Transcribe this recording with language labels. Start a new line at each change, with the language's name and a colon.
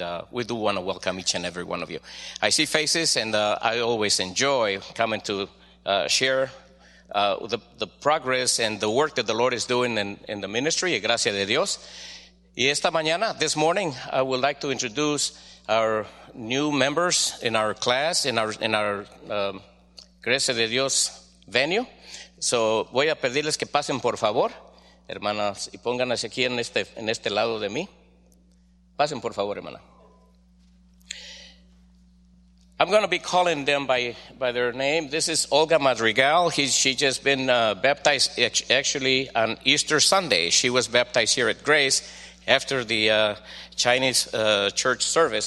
English: We do want to welcome each and every one of you. I see faces, and I always enjoy coming to share the progress and the work that the Lord is doing in the ministry, Gracia de Dios.
Spanish: Y esta mañana,
English: this morning, I would like to introduce our new members in our class, in our Gracia de Dios venue.
Spanish: So voy a pedirles que pasen, por favor, hermanas, y pónganse aquí en este lado de mí. Pasen, por favor, hermana.
English: I'm going to be calling them by their name. This is Olga Madrigal. She just been baptized actually on Easter Sunday. She was baptized here at Grace after the Chinese church service.